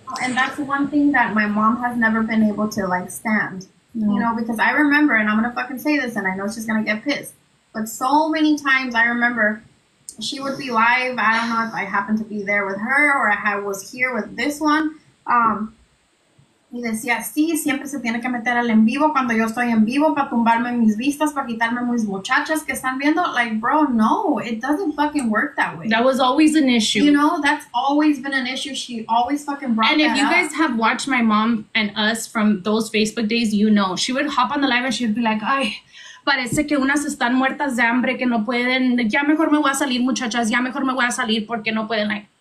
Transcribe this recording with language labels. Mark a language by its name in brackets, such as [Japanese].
[English] And that's one thing that my mom has never been able to, like, stand. Mm-hmm. You know, because I remember, and I'm going to fucking say this, and I know she's going to get pissed, but so many times I remember she would be live. I don't know if I happened to be there with her or I was here with this one. [Spanish] Y decía, sí, siempre se tiene que meter al en vivo cuando yo estoy en vivo para tumbarme mis vistas, para quitarme mis muchachas que están viendo. [English] Like, bro, no, it doesn't fucking work that way. That was always an issue. You know, that's always been an issue. She always fucking brought that up. And if you guys have watched my mom and us from those Facebook days, you know, she would hop on the live and she would be like, [Spanish] ay, parece que unas están muertas de hambre, que no pueden, [English] ya mejor me voy a salir, muchachas, ya mejor me voy a salir porque no pueden, like.